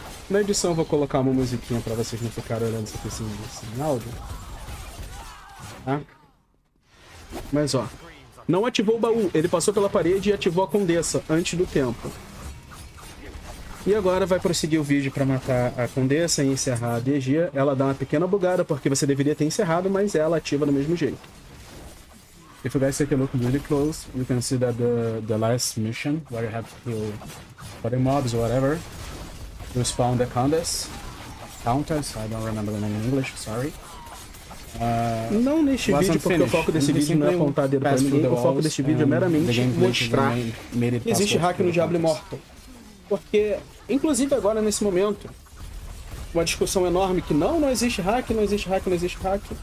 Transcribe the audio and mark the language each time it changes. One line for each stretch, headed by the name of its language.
Portuguese: Na edição eu vou colocar uma musiquinha pra vocês não ficarem olhando se tem assim, áudio. Tá? Mas ó. Não ativou o baú. Ele passou pela parede e ativou a condessa antes do tempo. E agora vai prosseguir o vídeo pra matar a Condessa e encerrar a DG. Ela dá uma pequena bugada porque você deveria ter encerrado, mas ela ativa do mesmo jeito.
English: If you guys take a look really close, you can see that the last mission, where you have to kill body mobs or whatever, you spawn the Condess. Countess, I don't remember the name in English, sorry.
Portuguese: Não neste vídeo, porque finished. O foco desse vídeo não é apontar dedo pra ninguém, o foco deste vídeo é meramente mostrar que existe hack no Diablo Immortal. Porque, inclusive agora nesse momento, uma discussão enorme que não existe hack, não existe hack, não existe hack.